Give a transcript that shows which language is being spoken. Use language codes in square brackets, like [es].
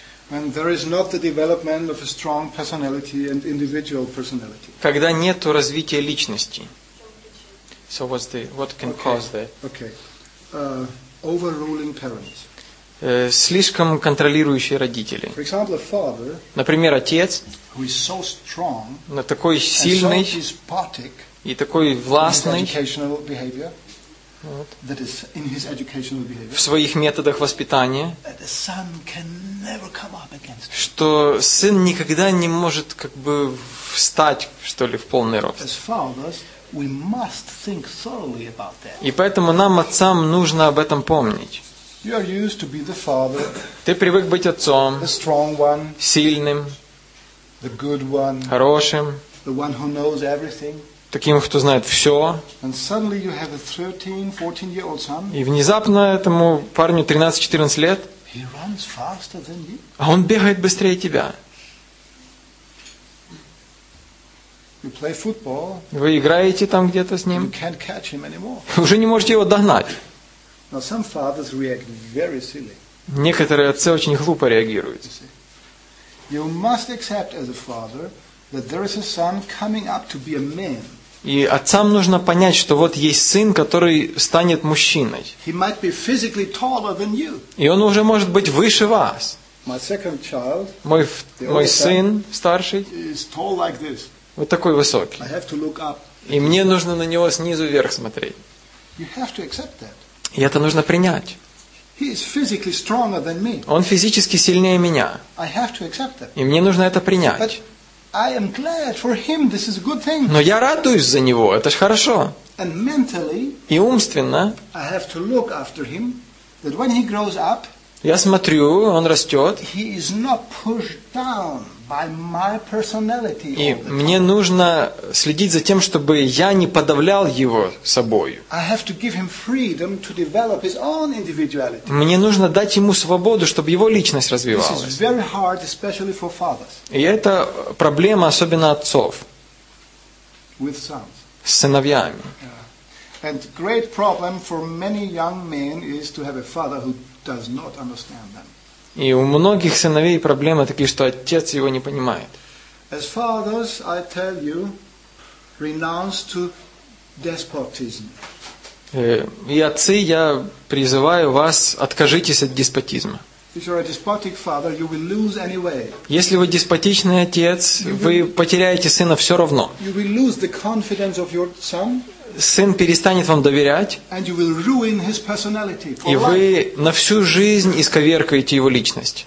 [en] When there is not the development of a strong personality and individual personality. [ru] Когда нет развития личности. [en] So what's the what can okay. cause that? Okay. Overruling parents. [ru] Слишком контролирующие родители. [en] For example, a father, [ru] например, отец, [en] who is so strong, [ru] на такой сильный [en] and so despotic [ru] и такой властный [en] in his educational behavior, [ru] вот, [en] that is in his educational behavior, [ru] в своих методах воспитания, [en] that the son can never come up against him. [ru] Что сын никогда не может как бы встать, что ли, в полный рост. [en] As fathers, we must think thoroughly about that. [ru] И поэтому нам, отцам, нужно об этом помнить. [en] You are used to be the father. [ru] Ты привык быть отцом. [en] The strong one. [ru] Сильным. [en] The good one. [ru] Хорошим. [en] The one who knows everything. [ru] Таким, кто знает все. [en] And suddenly you have a 13-14-year-old son. [ru] И внезапно этому парню 13-14 лет. [en] He runs faster than you. [ru] А он бегает быстрее тебя. [en] You play football. [ru] Вы играете там где-то с ним. [en] You can't catch him anymore. [ru] Уже не можете его догнать. [en] Now some fathers react very silly. [ru] Некоторые отцы очень глупо реагируют. [en] You must accept as a father that there is a son coming up to be a man. [ru] И отцам нужно понять, что вот есть сын, который станет мужчиной. [en] He might be physically taller than you. [ru] И он уже может быть выше вас. [en] My second child. [ru] Мой сын старший. [en] Is tall like this. [ru] Вот такой высокий. [en] I have to look up. [ru] И мне нужно на него снизу вверх смотреть. [en] You have to accept that. [ru] И это нужно принять. [en] He is physically stronger than me. [ru] Он физически сильнее меня. [en] I have to accept that. [ru] И мне нужно это принять. [en] I am glad for him. This is a good thing. [ru] Но я радуюсь за него. Это ж хорошо. [en] And mentally. [ru] И умственно. [en] I have to look after him, that when he grows up. [ru] Я смотрю, он растет. [en] He is not pushed down by my personality. [ru] И мне нужно следить за тем, чтобы я не подавлял его собой. [en] I have to give him freedom to develop his own individuality. [ru] Мне нужно дать ему свободу, чтобы его личность развивалась. [en] This is very hard, especially for fathers. [ru] И это проблема особенно отцов. [en] With sons. [ru] С сыновьями. [en] And great problem for many young men is to have a father who does not understand them. [ru] И у многих сыновей проблема такие, что отец его не понимает. [en] As fathers, I tell you, renounce to despotism. [ru] И отцы, я призываю вас, откажитесь от деспотизма. [en] If you're a despotic father, you will lose anyway. [ru] Если вы деспотичный отец, вы потеряете сына все равно. [en] You will lose the confidence of your son. [ru] Сын перестанет вам доверять. [en] And you will ruin his personality for life. [ru] И вы на всю жизнь исковеркаете его личность.